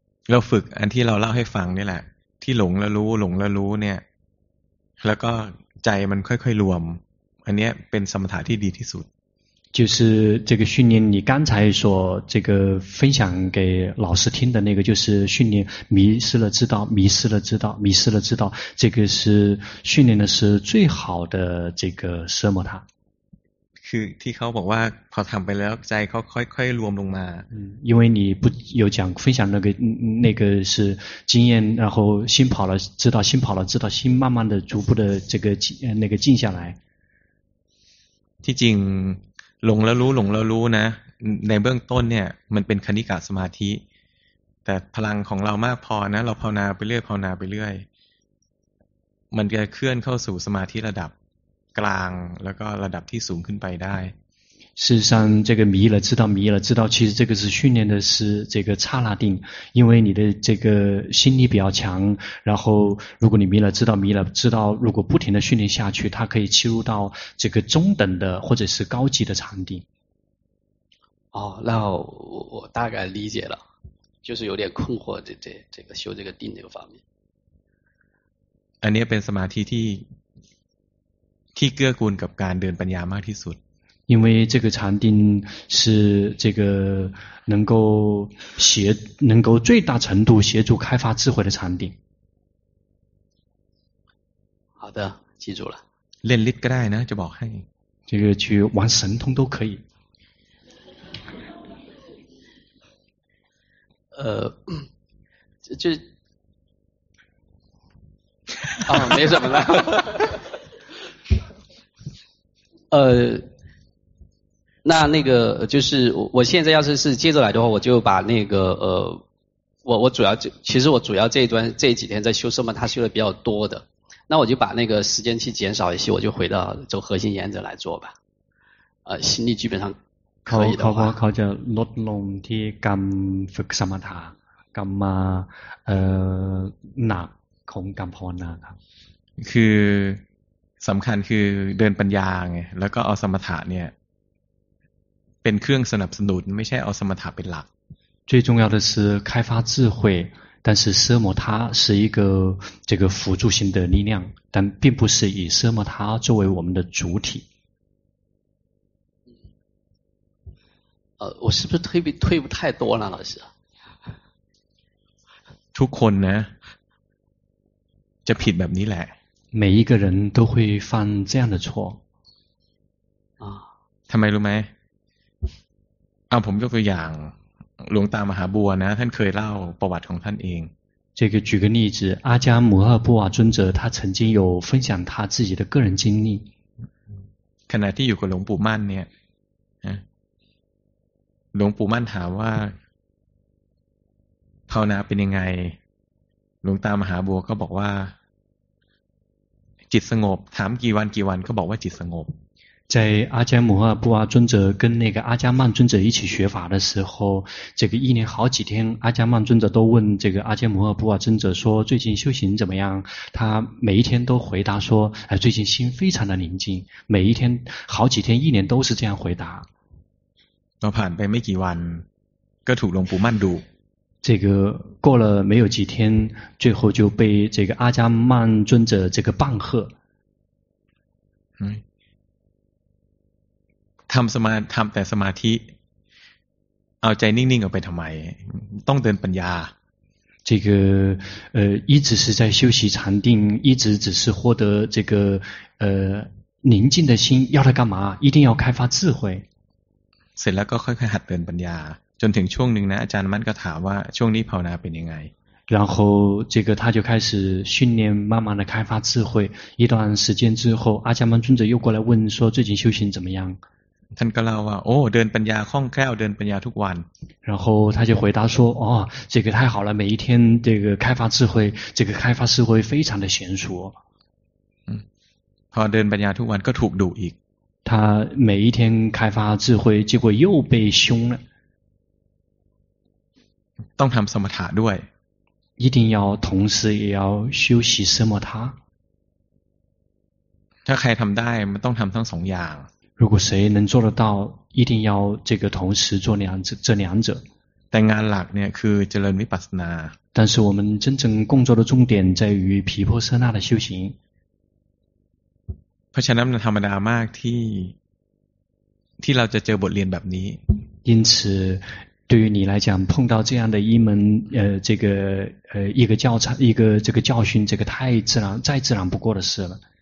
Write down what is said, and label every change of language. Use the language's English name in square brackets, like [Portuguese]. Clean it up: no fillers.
[Thai] เราฝึกอันที่เราเล่าให้ฟังนี่แหละที่หลงแล้วรู้หลงแล้วรู้เนี่ยแล้วก็ใจมันค่อยๆรวมอันเนี้ยเป็นสมถะที่ดีที่สุด [Chinese] 就是这个训练你刚才所这个分享给老师听的那个就是训练迷失了知道迷失了知道迷失了知道这个是训练的是最好的这个奢摩他 [Thai] คือที่เขาบอกว่าพอทำไปแล้วใจเขาค่อยๆรวมลงมา [Chinese] 因为你不有讲分享那个是经验然后心跑了知道心跑了知道心慢慢的逐步的这个那个静下来 [Thai] ที่จริงหลงแล้วรู้หลงแล้วรู้นะในเบื้องต้นเนี่ยมันเป็นคณิกะสมาธิแต่พลังของเรามากพอนะเราภาวนาไปเรื่อยภาวนาไปเรื่อยมันจะเคลื่อนเข้าสู่สมาธิระดับกลางแล้วก็ระดับที่สูงขึ้นไปได้ [Chinese] 事实上这个迷了知道迷了知道其实这个是训练的是这个刹那定因为你的这个心力比较强然后如果你迷了知道迷了知道如果不停的训练下去它可以切入到这个中等的或者是高级的禅定哦那我大概理解了就是有点困惑这个修这个定这个方面 [Thai] อันนี้เป็นสมาธิที่เกื้อกูลกับการเดินปัญญามากที่สุด [Chinese] 因为这个禅定是这个能够最大程度协助开发智慧的禅定好的记住了 [Thai] เล่นลิทก็ได้นะจะบอกให้ [Chinese] 这个去玩神通都可以就哦没什么了那个就是我现在要是接着来的话我就把那个我主要其实我主要这几天在修奢摩他修的比较多的那我就把那个时间去减少一些我就回到走核心原则来做吧心力基本上可以的话 [Thai] เขาจะลดลงที่กรรมฝึกสมถะกรรมหนักของกรรมภาวนาครับ คือสำคัญคือเดินปัญญาไงแล้วก็เอาสมถะเนี่ยเป็นเครื่องสนับสนุนไม่ใช่เอาสมถะเป็นหลัก [Chinese] 最重要的是开发智慧但是奢摩他是一个这个辅助性的力量但并不是以奢摩他作为我们的主体我是不是退步太多了老师 [Thai] ทุกคนนะจะผิดแบบนี้แหละ [Chinese] 每一个人都会犯这样的错 [Thai] ทำไมรู้ไหมผมยกตัวอย่างหลวงตามหาบัวนะท่านเคยเล่าประวัติของท่านเอง [Chinese] 这个举个例子阿迦摩诃波瓦尊者他曾经有分享他自己的个人经历 [Thai] ขณะที่อยู่กับหลวงปู่มั่นเนี่ยหลวงปู่มั่นถามว่าภาวนาเป็นยังไงหลวงตามหาบัวก็บอกว่าจิตสงบถามกี่วันก็บอกว่าจิตสงบ [Chinese] 在阿姜摩诃布瓦尊者跟那个阿姜曼尊者一起学法的时候，这个一连好几天，阿姜曼尊者都问这个阿姜摩诃布瓦尊者说：“最近修行怎么样？” 他每一天都回答说：“哎，最近心非常的宁静。” 每一天，好几天，一年都是这样回答。 [Thai] 我ผ่านไปไม่กี่วัน，ก็ถูกหลวงปู่มั่นดู。 [Chinese] 这个过了没有几天，最后就被这个阿姜曼尊者这个棒喝。 [Thai] ทำสมาทำแต่สมาธิเอาใจนิ่งๆออกไปทำไมต้องเดินปัญญา [Chinese] 这个一直是在修习禅定一直只是获得这个宁静的心要它干嘛一定要开发智慧 [Thai] เสร็จแล้วก็ค่อยๆหัดเดินปัญญาจนถึงช่วงหนึ่งนะอาจารย์มันก็ถามว่าช่วงนี้ภาวนาเป็นยังไง [Chinese] 然后这个他就开始训练慢慢的开发智慧一段时间之后阿伽曼尊者又过来问说最近修行怎么样 [Thai] ท่านก็เล่าว่าโอ้เดินปัญญาคล่องแคล่วเดินปัญญาทุกวัน [Chinese] 然后他就回答说哦这个太好了每一天这个开发智慧这个开发智慧非常的娴熟 [Thai] พอเดินปัญญาทุกวันก็ถูกดุอีก [Chinese] 他每一天开发智慧结果又被凶了 [Thai] ต้องทำสมถะด้วย [Chinese] 一定要同时也要修习奢摩他 [Thai] ถ้าใครทำได้มันต้องทำทั้งสองอย่าง รู้สึกนั้นจะได้ [Chinese] 一定要这个同时做两者 [Thai] แต่งานหลักเนี่ยคือเจริญวิปัสสนา [Chinese] 但是我们真正工作的重点在于毗婆舍那的修行 [Thai] เพราะฉะนั้นธรรมดามากที่เราจะเจอบทเรียนแบบนี้ [Chinese] 因此对于你来讲碰到这样的一门这个一个教材一个这个教训这个太自然再自然不过的事了